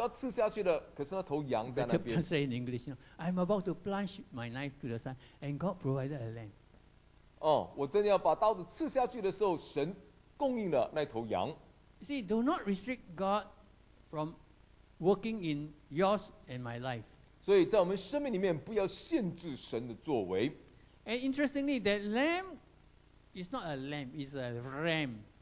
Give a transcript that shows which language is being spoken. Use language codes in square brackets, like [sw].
[zh] 那可能他说：“哇，还好我就要刀子要刺下去了。”可是那头羊在那边。 [en] I say in English, you know, "I'm about to plunge my knife to the sun, and God provided a lamb." [zh] 哦，我真的要把刀子刺下去的时候，神供应了那头羊。 [en] See, do not restrict God from working in yours and my life. [zh] 所以在我们生命里面不要限制神的作为. [en] And interestingly, that lamb is not a lamb, it's a ram.